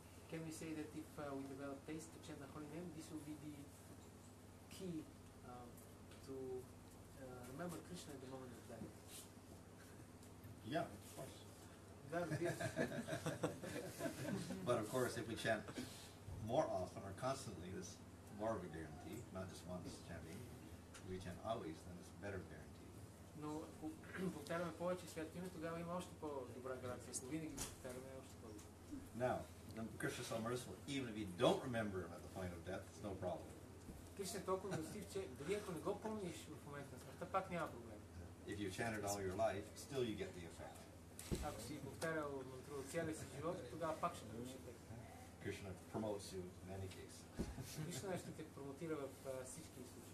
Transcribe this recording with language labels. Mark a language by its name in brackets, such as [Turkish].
[English] Can we say that if we develop taste to chant the holy name, this will be the key to remember Krishna at the moment of death? Yeah, of course. That would be it. But of course, if we chant more often or constantly, this more of a guarantee, not just once chanting. If we chant always, then it's better guarantee. [Bulgarian] Но ако повтаряме повече свято име, тогава има още по-добра гаранция. Ако винаги повтаряме, още по-добра. [English] Now, the Krishna is so merciful, even if you don't remember him at the point of death, it's no problem. [Bulgarian] Кришна е толкова милостив, че дори ако не го помниш в момента на смъртта, пак няма проблем. [English] If you chanted all your life, still you get the effect. [Bulgarian] Ако си повтарял мантру целия си живот, тогава пак ще получиш ефект. [English] Krishna promotes you in any case. [Bulgarian] Кришна ще те промотира в всички случаи.